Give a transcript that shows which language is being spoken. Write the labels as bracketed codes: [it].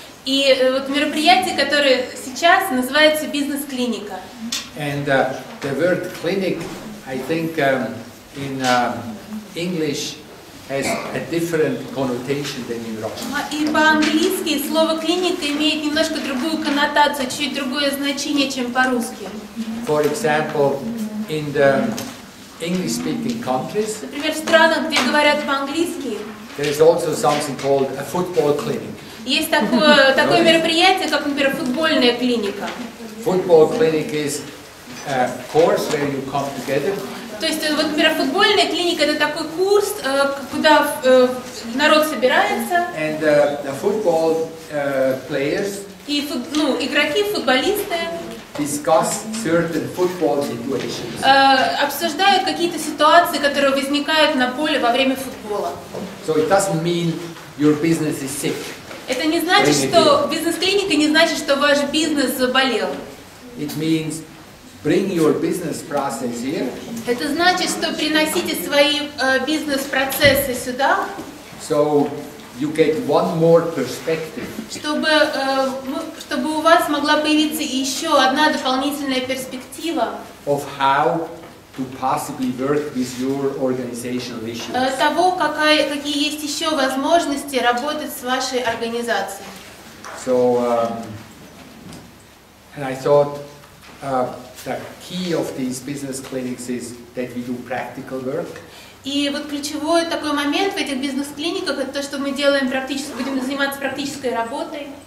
[ru] И вот мероприятие, которое сейчас называется бизнес-клиника. [en] And the word clinic, I think, in English has a different connotation than in Russian. [ru] И по-английски слово клиника имеет немножко другую коннотацию, чуть другое значение, чем по-русски. [en] For example, in the English-speaking countries. [ru] Например, в странах, где говорят по-английски. [en] There is also something called a football clinic. [ru] Есть такое мероприятие, как, например, футбольная клиника. [en] Football clinic is a course where you come together. [ru] То есть, вот, например, футбольная клиника — это такой курс, куда народ собирается. [en] And the football players. [ru] И игроки, футболисты. [en] Discuss certain football situations. [ru] Обсуждают какие-то ситуации, которые возникают на поле во время футбола. [en] So it doesn't mean your business is sick. [ru] Это не значит, что бизнес-клиника не значит, что ваш бизнес заболел. [en] It means bring your business process here. [ru] Это значит, что приносите свои бизнес-процессы сюда. [en] So you get one more perspective. [ru] Чтобы у вас могла появиться еще одна дополнительная перспектива. [en] Of how to possibly work with your organizational issues. [ru] Того, какие есть еще возможности работать с вашей организацией. [en] So, and I thought the key of these business clinics is that we do practical work. [ru] И вот ключевой такой момент в этих бизнес-клиниках — это то, что мы делаем будем заниматься практической работой.